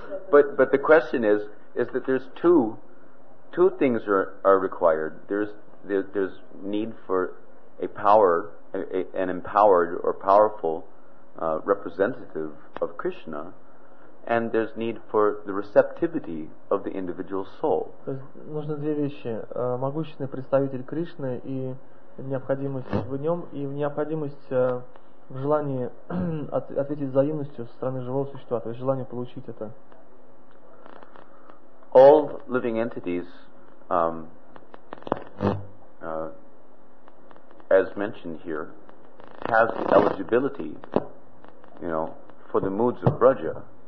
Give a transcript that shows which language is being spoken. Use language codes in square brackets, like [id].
[en] But the question is that there's two things are required. There's need for a power, an empowered or powerful representative of Krishna, and there's need for the receptivity of the individual soul. [ru] То есть нужно две вещи: могущественный представитель Кришны и необходимость в нем и необходимость в желании ответить взаимностью со стороны живого существа, то есть желание получить это. [en] All living entities, as mentioned here, have the eligibility, you know, for the moods of Braja.